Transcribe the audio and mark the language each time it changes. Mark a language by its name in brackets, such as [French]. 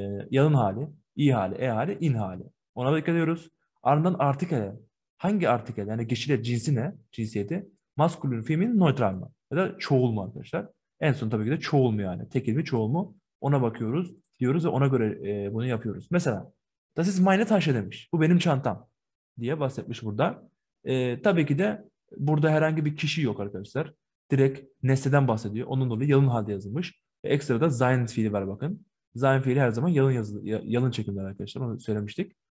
[Turkish] Yalın hali, i hali, e hali, in hali. Ona dikkat ediyoruz. Ardından artikele. Hangi artikele? Yani kişiyle cinsi ne? Cinsiyeti. Maskulün, feminin, nötral mı? Ya da çoğul mu arkadaşlar? En son tabii ki de çoğul mu yani? Tekil mi, çoğul mu? Ona bakıyoruz. Diyoruz ve ona göre bunu yapıyoruz. Mesela [German] das ist meine Tasche [Turkish] demiş. Bu benim çantam diye bahsetmiş burada. Tabii ki de burada herhangi bir kişi yok arkadaşlar. Direkt nesneden bahsediyor. Onun dolayı yalın halde yazılmış. Ve ekstra da sein fiili var bakın. Sein fiili her zaman yalın çekimler arkadaşlar. Onu söylemiştik.